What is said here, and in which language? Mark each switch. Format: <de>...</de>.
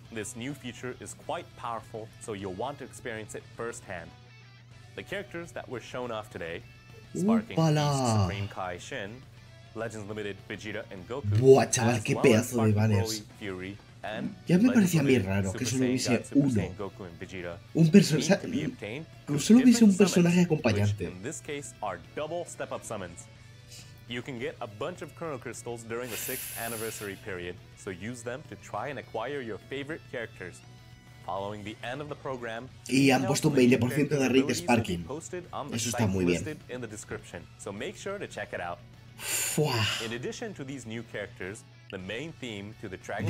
<en>This new feature is quite powerful, so you'll want to experience it firsthand. The characters that were shown off today, Sparking Beast Supreme Kai Shin, Legends Limited Vegeta and Goku.</en> <es>Buah, chaval, qué pedazo de banners. Fury, ya me parecía a mí raro que solo hubiese uno. Un personaje. Que solo hubiese un personaje acompañante.</es> <en>In this case are double step up summons. You can get a bunch of Chrono Crystals during the 6th anniversary period, so use them to try and acquire your favorite characters. Following the end of the program,</en> <es>y han puesto un 20% de rate de Sparking. Eso está muy bien.</es> <en>In the description, so make sure to check it out. Fuá. In addition to these new characters, the main theme to the Dragon</en>